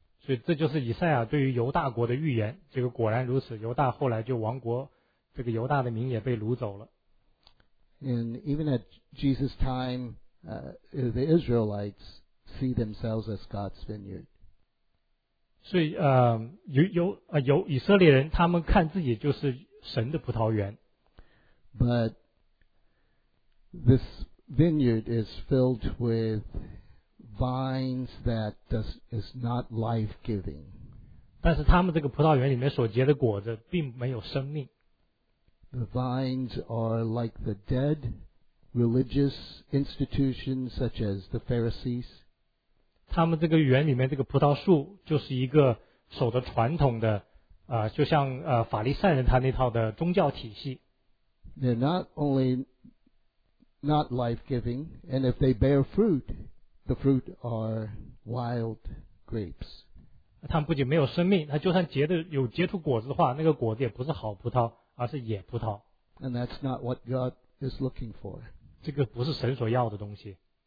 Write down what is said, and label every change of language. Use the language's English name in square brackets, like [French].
[Chinese] 所以这就是以赛亚对于犹大国的预言，这个果然如此，犹大后来就亡国，这个犹大的民也被掳走了。 [English] And even at Jesus' time, the Israelites see themselves as God's vineyard. [Chinese] 所以有以色列人，他们看自己就是神的葡萄园。 [English] But this vineyard is filled with vines that is not life-giving. [Chinese] 但是他们这个葡萄园里面所结的果子并没有生命。 [English] The vines are like the dead religious institutions such as the Pharisees. [Chinese] 他们这个园里面这个葡萄树就是一个守着传统的就像法利赛人他那套的宗教体系。 [English] They're not only not life-giving, and if they bear fruit, the fruit are wild grapes. [Chinese] 他们不仅没有生命，他就算结出果子的话，那个果子也不是好葡萄，而是野葡萄。 [English] And that's not what God is looking for. [Chinese] 这个不是神所要的东西。